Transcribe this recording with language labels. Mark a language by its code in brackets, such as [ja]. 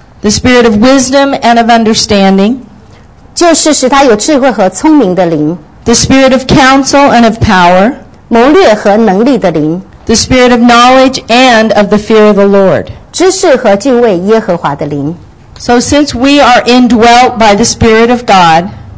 [en] The spirit of wisdom and of understanding. [zh] 就是使他有智慧和聪明的灵。 [en] The spirit of counsel and of power. [zh] 谋略和能力的灵。 [en] The spirit of knowledge and of the fear of the Lord. [zh] 知识和敬畏耶和华的灵。 [en] So since we are indwelt by the Spirit of God,